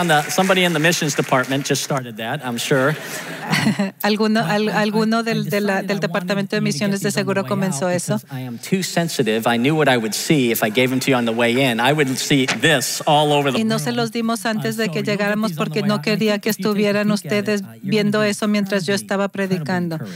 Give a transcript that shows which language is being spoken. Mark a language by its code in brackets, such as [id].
[en] Somebody in the missions department just started that, I'm sure. [es] alguno del departamento de misiones de seguro comenzó eso. [en] I am too sensitive. I knew what I would see if I gave them to you on the way in. I would see this all over the room. [es] Y no se los dimos antes de que llegáramos porque no quería que estuvieran ustedes viendo eso mientras yo estaba predicando.